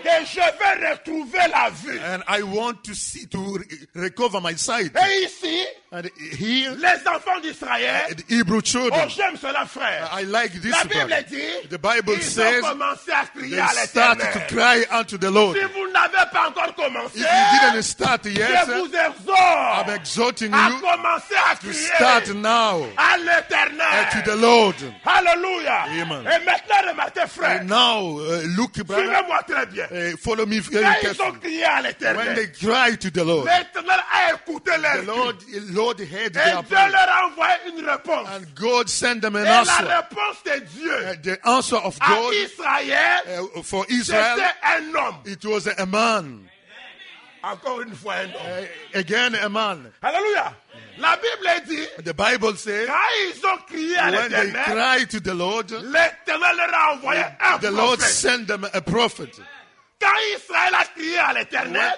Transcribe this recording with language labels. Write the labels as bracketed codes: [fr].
[fr] Et je vais retrouver la vie. [en] And I want to see to recover my sight. [fr] Et ici, [en] and here, [fr] les enfants d'Israël, [en] the Hebrew children. [fr] Oh, j'aime cela, frère. [en] I like this. [fr] La Bible dit, [en] the Bible [fr] ils [en] says, [fr] ont commencé à crier [en] they [fr] à l'Éternel. [en] Start to cry unto the Lord. [fr] Si vous n'avez pas encore commencé, [en] if you didn't start yet, [fr] je vous exhorte. [en] Exhorting [fr] a [en] you [fr] à [en] to start now [fr] à l'Éternel [en] to the Lord. Hallelujah. Amen. [fr] Et maintenant, remarquez, frère. [en] And now, look, brother. [fr] Suivez-moi très bien. [en] Follow me very carefully. When they cry to the Lord, [fr] l'Éternel a écouté leur [en] the Lord heard [fr] et [en] their [fr] Dieu leur a envoyé une réponse. [en] And God sent them an [fr] et [en] answer. [fr] La réponse de Dieu [en] the answer of God [fr] Israël, [en] for Israel, [fr] c'était un homme. [en] It was a man. [fr] Encore une fois, un homme. [en] Again, a man. [fr] Hallelujah. La Bible dit, [en] the Bible says, [fr] quand ils ont crié à [en] when they cried to the Lord, [fr] l'Éternel leur a envoyé un [en] the Lord sent them a prophet. [fr] Quand Israël a crié à l'Éternel,